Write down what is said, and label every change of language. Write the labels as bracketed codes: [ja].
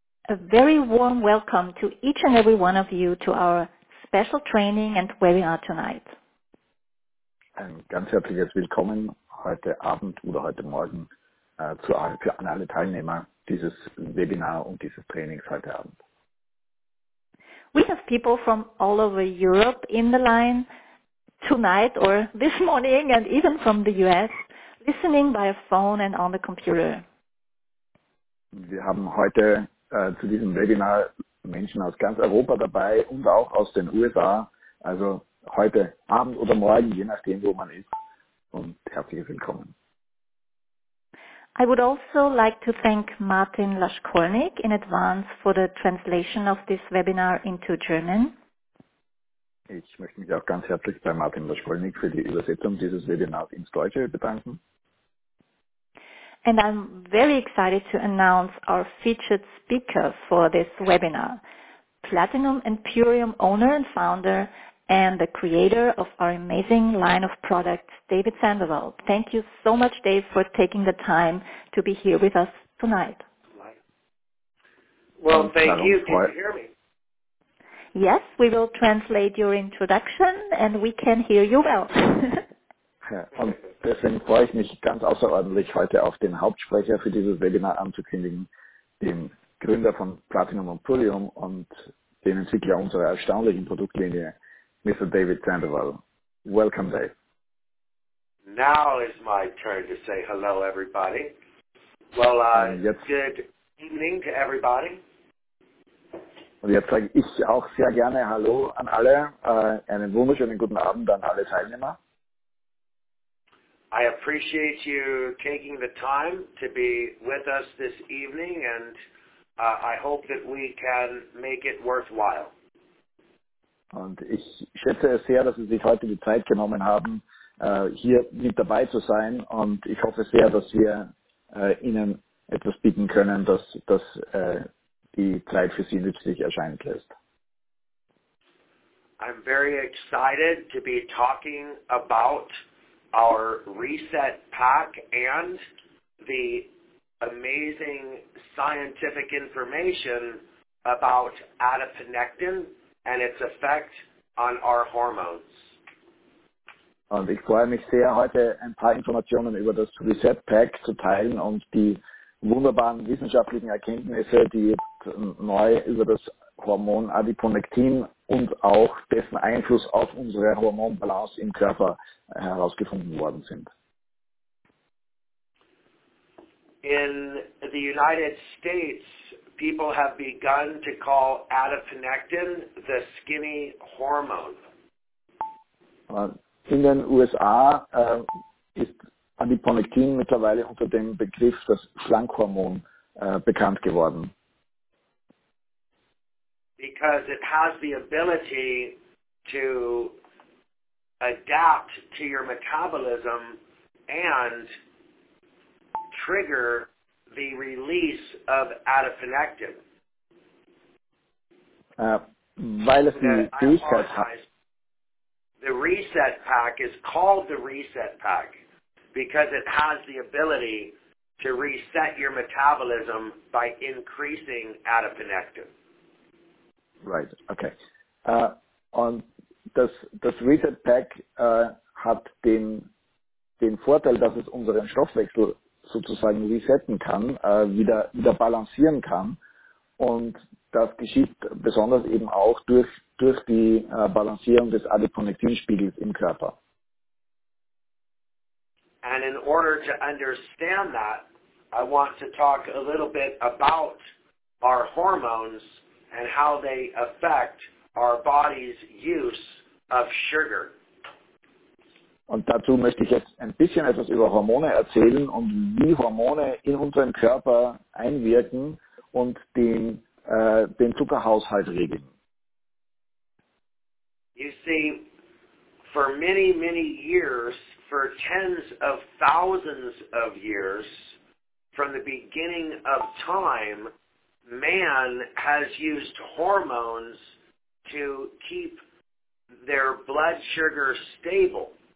[en] A very warm welcome to each and every one of you to our special training and webinar tonight. [de] Ein ganz herzliches Willkommen heute Abend oder heute Morgen für alle Teilnehmer dieses Webinar und dieses Trainings heute Abend. [en] We have people from all over Europe in the line tonight or this morning and even from the US listening by a phone and on the computer. [de] Wir haben heute zu diesem Webinar Menschen aus ganz Europa dabei und auch aus den USA, also heute Abend oder morgen, je nachdem, wo man ist. Und herzliches Willkommen. [en] I would also like to thank Martin Laschkolnik in advance for the translation of this webinar into German. [de] Ich möchte mich auch ganz herzlich bei Martin Laschkolnik für die Übersetzung dieses Webinars ins Deutsche bedanken. [en] And I'm very excited to announce our featured speaker for this webinar, Platinum and Purium owner and founder and the creator of our amazing line of products, David Sandoval. Thank you so much, Dave, for taking the time to be here with us tonight. Well, thank you. Can you hear me? Yes, we will translate your introduction and we can hear you well. [de] Und deswegen freue ich mich ganz außerordentlich, heute auf den Hauptsprecher für dieses Webinar anzukündigen, den Gründer von Platinum und Purium und den Entwickler unserer erstaunlichen Produktlinie, Mr. [en] David Sandoval. Welcome, Dave. Now is my turn to say hello, everybody. Well, good evening to everybody. [de] Und jetzt sage ich auch sehr gerne hallo an alle, einen wunderschönen guten Abend an alle Teilnehmer. [en] I appreciate you taking the time to be with us this evening, and I hope that we can make it worthwhile. [de] Und ich schätze es sehr, dass Sie sich heute die Zeit genommen haben, hier mit dabei zu sein, und ich hoffe sehr, dass wir Ihnen etwas bieten können, dass die Zeit für Sie nützlich erscheinen lässt. [en] I'm very excited to be talking about our reset pack and the amazing scientific information about adiponectin and its effect on our hormones. [de] Und ich freue mich sehr, heute ein paar Informationen über das Reset Pack zu teilen und die wunderbaren wissenschaftlichen Erkenntnisse, die neu über das Hormon Adiponektin und auch dessen Einfluss auf unsere Hormonbalance im Körper herausgefunden worden sind. [en] In the United States, people have begun to call adiponectin the skinny hormone. [de] In den USA ist Adiponektin mittlerweile unter dem Begriff das Schlankhormon bekannt geworden. [en] Because it has the ability to adapt to your metabolism and trigger the release of adiponectin. [de] Weil es die Fähigkeit hat. [en] The reset pack is called the reset pack because it has the ability to reset your metabolism by increasing adiponectin. Right, okay. [de] Und das Reset Pack hat den Vorteil, dass es unseren Stoffwechsel sozusagen resetten kann, wieder balancieren kann. Und das geschieht besonders eben auch durch die Balancierung des Adiponektinspiegels im Körper. [en] And in order to understand that, I want to talk a little bit about our hormones and how they affect our body's use of sugar. [de] Und dazu möchte ich jetzt ein bisschen etwas über Hormone erzählen und wie Hormone in unserem Körper einwirken und den Zuckerhaushalt regeln. [en] You see, for many, many years, for tens of thousands of years, from the beginning of time, man has used hormones to keep their blood sugar stable.